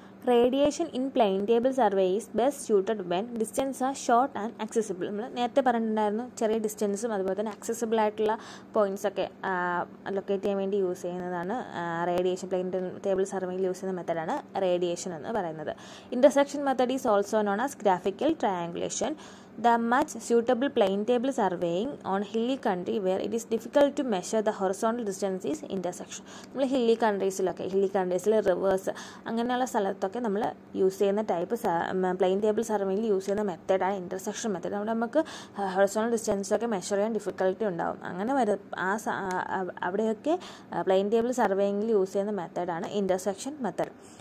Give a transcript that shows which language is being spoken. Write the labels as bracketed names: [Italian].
[English] Radiation in plane table survey is best suited when distance are short and accessible. [Malayalam] നമ്മൾ നേരത്തെ പറഞ്ഞിട്ടുണ്ടായിരുന്നു ചെറിയ ഡിസ്റ്റൻസും അതുപോലെ തന്നെ അക്സസിബിൾ ആയിട്ടുള്ള പോയിന്റ്സ് ഒക്കെ ലൊക്കേറ്റ് ചെയ്യാൻ വേണ്ടി യൂസ് ചെയ്യുന്നതാണ് റേഡിയേഷൻ പ്ലെയിൻ ടേബിൾ സർവേയിൽ യൂസ് ചെയ്യുന്ന മെത്തഡാണ് റേഡിയേഷൻ എന്ന് പറയുന്നത്. [English] Intersection method is also known as graphical triangulation. The much suitable plane table surveying on hilly country where it is difficult to measure the horizontal distance is intersection. [Malayalam] നമ്മൾ hilly കൺട്രീസിലൊക്കെ, hilly കൺട്രീസിൽ reverse അങ്ങനെയുള്ള സ്ഥലത്തൊക്കെ നമ്മൾ use ചെയ്യുന്ന type plain table സർവേയിൽ use ചെയ്യുന്ന മെത്തഡാണ് intersection method. അവിടെ നമുക്ക് horizontal ഡിസ്റ്റൻസൊക്കെ measure ചെയ്യാൻ ഡിഫിക്കൽട്ടി ഉണ്ടാകും. അങ്ങനെ വരും ആ അവിടെയൊക്കെ പ്ലെയിൻ ടേബിൾ സർവേയിൽ യൂസ് ചെയ്യുന്ന മെത്തഡാണ് ഇന്റർസെക്ഷൻ മെത്തഡ്.